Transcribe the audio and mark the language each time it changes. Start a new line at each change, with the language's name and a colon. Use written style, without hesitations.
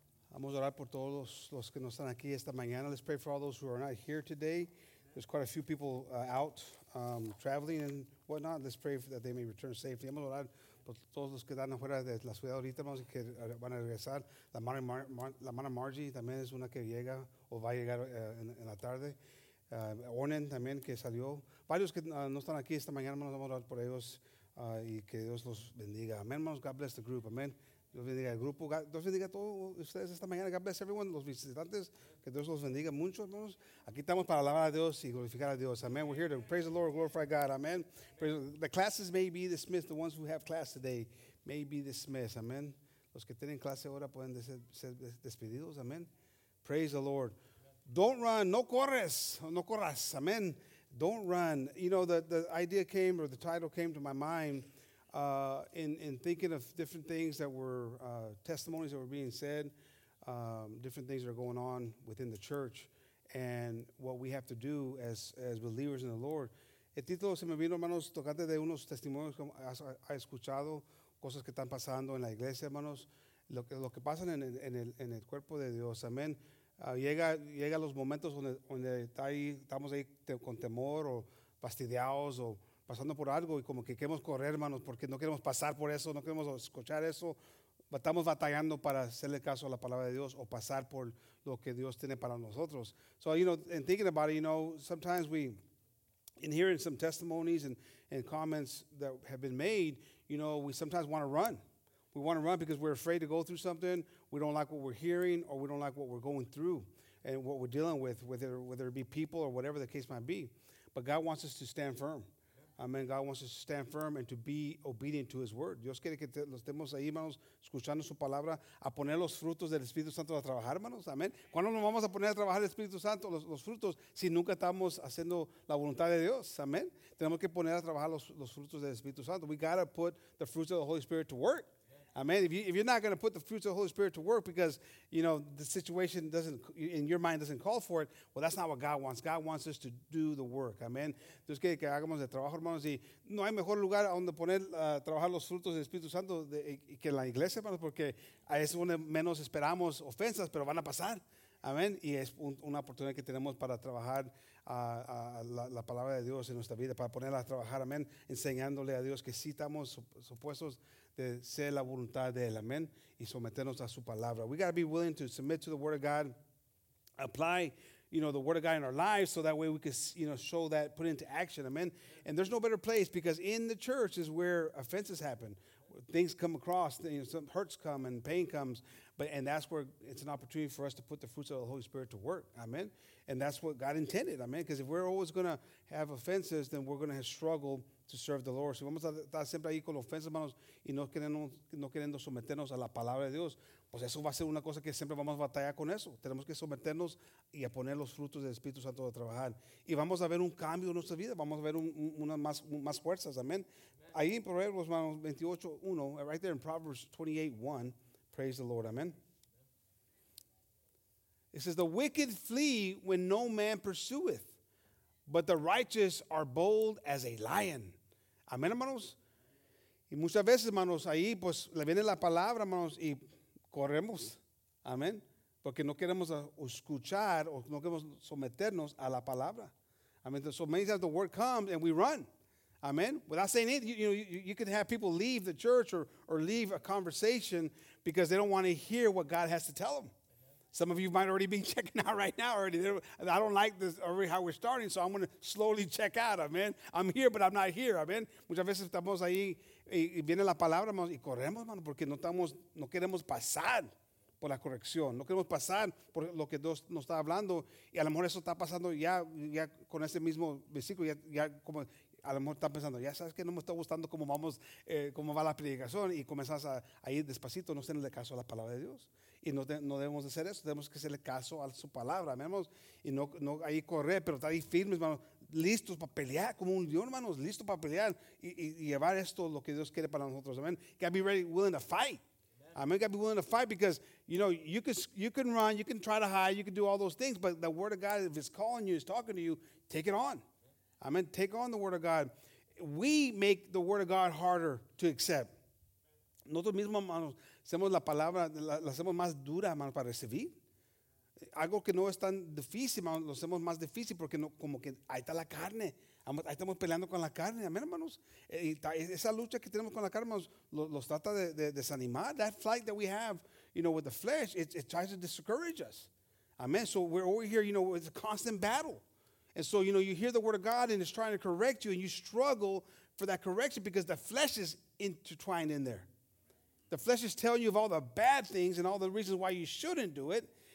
Spanish: Vamos a orar por todos los que no están aquí esta mañana.
English: Let's pray for all those who are not here today. There's quite a few people out traveling and whatnot. Let's pray that they may return safely.
Spanish: Vamos a orar por todos los que están afuera de la ciudad ahorita, hermanos, que van a regresar. La mano Margie también es una que llega o va a llegar en la tarde. Ornen también que salió. Varios que no están aquí esta mañana, hermanos, vamos a orar por ellos y que Dios los bendiga. Amén, hermanos.
English: God bless the group.
Spanish: Amén. Dios bendiga al grupo. Dios bendiga a todos ustedes esta mañana.
English: God bless everyone,
Spanish: los visitantes. Que Dios los bendiga mucho, hermanos. Aquí estamos para alabar a Dios y glorificar a Dios. Amén.
English: We're here to praise the Lord, glorify God. Amén. The classes may be dismissed. The ones who have class today may be dismissed. Amén.
Spanish: Los que tienen clase ahora pueden ser despedidos.
English: Amén. Praise the Lord. Don't run.
Spanish: No corres. No corras.
English: Amén. Don't run. You know, the idea came, or the title came to my mind in thinking of different things that were testimonies that were being said, different things that are going on within the church, and what we have to do as believers in the Lord.
Spanish: El título se me vino, hermanos, tocante de unos testimonios que ha escuchado, cosas que están pasando en la iglesia, hermanos, lo que pasa en el cuerpo de Dios. Amén. Llega los momentos donde estamos ahí con temor o fastidiados o pasando por algo y como que queremos correr, hermanos, porque no queremos pasar por eso, no queremos escuchar eso. Estamos batallando para hacerle caso a la palabra de Dios o pasar por lo que Dios tiene para nosotros.
English: So, you know, and thinking about it, you know, sometimes we, in hearing some testimonies and comments that have been made, you know, we sometimes want to run. We want to run because we're afraid to go through something. We don't like what we're hearing, or we don't like what we're going through and what we're dealing with, whether it be people or whatever the case might be. But God wants us to stand firm. Amen. God wants us to stand firm and to be obedient to his word.
Spanish: Dios quiere que estemos ahí, hermanos, escuchando su palabra, a poner los frutos del Espíritu Santo a trabajar, hermanos. Amen. ¿Cuándo nos vamos a poner a trabajar el Espíritu Santo, los frutos, si nunca estamos haciendo la voluntad de Dios? Amen. Tenemos que poner a trabajar los frutos del Espíritu Santo.
English: We got to put the fruits of the Holy Spirit to work. Amen. If you're not going to put the fruits of the Holy Spirit to work because, you know, the situation doesn't, in your mind, doesn't call for it, well, that's not what God wants. God wants us to do the work. Amen.
Spanish: Dios quiere que hagamos el trabajo, hermanos. Y no hay mejor lugar donde poner trabajar los frutos del Espíritu Santo que en la iglesia, hermanos, porque ahí es donde menos esperamos ofensas, pero van a pasar. Amen. Y es una oportunidad que tenemos para trabajar la palabra de Dios en nuestra vida, para ponerla a trabajar. Amen. Enseñándole a Dios que sí estamos supuestos de ser la voluntad de él, amén, y someternos a su palabra.
English: We got to be willing to submit to the word of God, apply, you know, the word of God in our lives, so that way we can, you know, show that, put into action, amen. And there's no better place, because in the church is where offenses happen. Things come across, you know, some hurts come and pain comes, and that's where it's an opportunity for us to put the fruits of the Holy Spirit to work, amen. And that's what God intended, amen, because if we're always going to have offenses, then we're going to have struggle to serve the Lord.
Spanish: Si vamos a estar siempre ahí con ofensas, hermanos, y no queriendo someternos a la palabra de Dios, pues eso va a ser una cosa que siempre vamos a batallar con eso. Tenemos que someternos y a poner los frutos del Espíritu Santo a trabajar. Y vamos a ver un cambio en nuestra vida. Vamos a ver unas más fuerzas. Amén. Ahí en Proverbios, hermanos, 28:1,
English: right there in Proverbs 28:1, praise the Lord.
Spanish: Amén.
English: It says, the wicked flee when no man pursueth, but the righteous are bold as a lion.
Spanish: Amén, hermanos. Y muchas veces, hermanos, ahí pues le viene la palabra, hermanos, y corremos. Amén. Porque no queremos escuchar o no queremos someternos a la palabra. Amén.
English: So many times the word comes and we run. Amén. Without saying it, you can have people leave the church or leave a conversation because they don't want to hear what God has to tell them. Some of you might already be checking out right now already. I don't like this already how we're starting, so I'm going to slowly check out, amen. I'm here, but I'm not here, amen.
Spanish: Muchas veces estamos ahí y viene la palabra, hermanos, y corremos, hermano, porque no queremos pasar por la corrección. No queremos pasar por lo que Dios nos está hablando. Y a lo mejor eso está pasando ya con ese mismo versículo. Ya como a lo mejor están pensando, ya sabes que no me está gustando cómo vamos, cómo va la predicación, y comenzás a ir despacito, no hacerle caso a la palabra de Dios. Y no debemos de hacer eso, tenemos que hacerle caso a su palabra, hermanos, y no ahí correr, pero estar ahí firmes, hermanos, listos para pelear como un león, hermanos, listos para pelear y llevar esto lo que Dios quiere para nosotros.
English: Amén. Gotta be ready, willing to fight. I mean, you got to be willing to fight because, you know, you can run, you can try to hide, you can do all those things, but the Word of God, if it's calling you, it's talking to you, take it on. I mean, take on the Word of God. We make the Word of God harder to accept.
Spanish: Nosotros mismos, hermanos, hacemos la palabra, la hacemos más dura, hermanos, para recibir. Algo que no es tan difícil, hermanos, lo hacemos más difícil porque no, como que ahí está la carne. Ahí estamos peleando con la carne, amén, hermanos. Esa lucha que tenemos con la carne, hermanos, los trata de desanimar.
English: That fight that we have, you know, with the flesh, it tries to discourage us. Amen. So we're over here, you know, it's a constant battle. And so, you know, you hear the Word of God and it's trying to correct you, and you struggle for that correction because the flesh is intertwined in there. The flesh is telling you of all the bad things and all the reasons why you shouldn't do it.